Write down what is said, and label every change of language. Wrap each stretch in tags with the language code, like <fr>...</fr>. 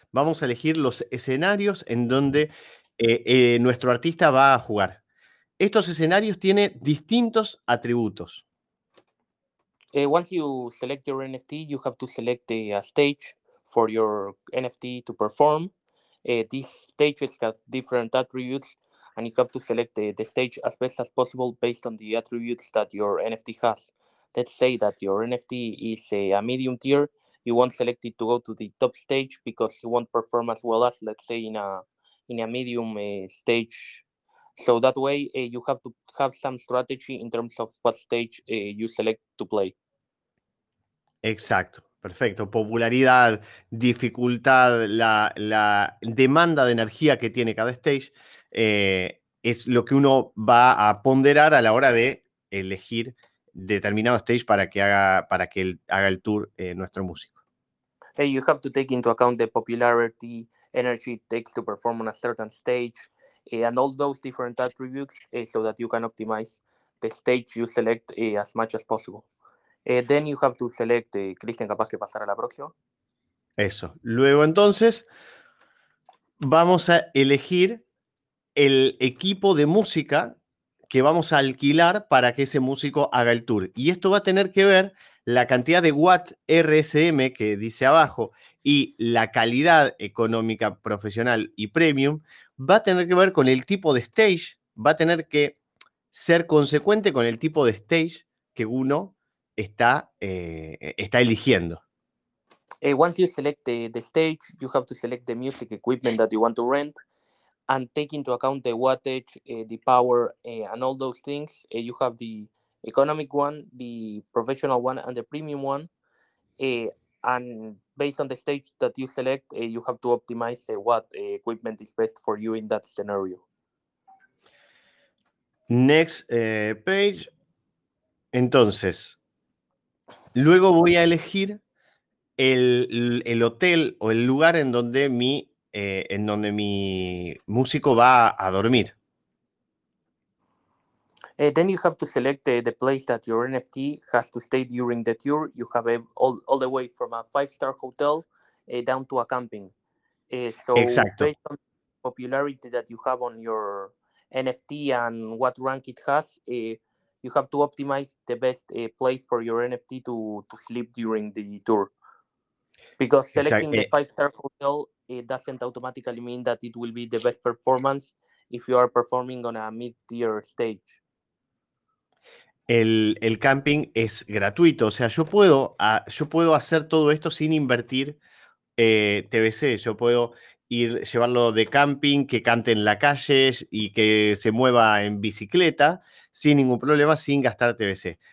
<es>Vamos a elegir los escenarios en donde nuestro artista va a jugar. Estos escenarios tienen distintos atributos.</es> <en>Once you select your NFT, you have to select a stage for your NFT to perform. These stages have different attributes, and you have to select the stage as best as possible based on the attributes that your NFT has. Let's say that your NFT is a medium tier. You won't select it to go to the top stage because you won't perform as well as, let's say, in a medium stage. So that way, you have to have some strategy in terms of what stage you select to play.</en> <es>Exacto, perfecto. Popularidad, dificultad, la demanda de energía que tiene cada stage es lo que uno va a ponderar a la hora de elegir determinado stage para que haga el tour nuestro músico.</es> <en>Hey, you have to take into account the popularity, energy it takes to perform on a certain stage, and all those different attributes so that you can optimize the stage you select as much as possible. Then you have to select,</en> <es>Cristian, capaz que pasar a la próxima. Eso. Luego, entonces, vamos a elegir el equipo de música que vamos a alquilar para que ese músico haga el tour. Y esto va a tener que ver la cantidad de Watt RSM que dice abajo y la calidad económica, profesional y premium. Va a tener que ver con el tipo de stage. Va a tener que ser consecuente con el tipo de stage que uno está eligiendo.</es> <en>Once you select the stage, you have to select the music equipment that you want to rent and take into account the wattage, the power, and all those things. You have the economic one, the professional one, and the premium one. And based on the stage that you select, you have to optimize what equipment is best for you in that scenario. Next page.</en> <es>Entonces, luego voy a elegir el hotel o el lugar en donde mi músico va a dormir.</es> <en>Then you have to select the place that your NFT has to stay during the tour. You have all the way from a 5-star hotel down to a camping. So</en> <es>exacto.</es> <en>Based on the popularity that you have on your NFT and what rank it has, you have to optimize the best place for your NFT to sleep during the tour. Because selecting the 5-star hotel, it doesn't automatically mean that it will be the best performance if you are performing on a mid-tier stage.</en> <es>El camping es gratuito. O sea, yo puedo hacer todo esto sin invertir TBC. Yo puedo ir llevarlo de camping, que cante en la calle y que se mueva en bicicleta sin ningún problema, sin gastar TBC.</es>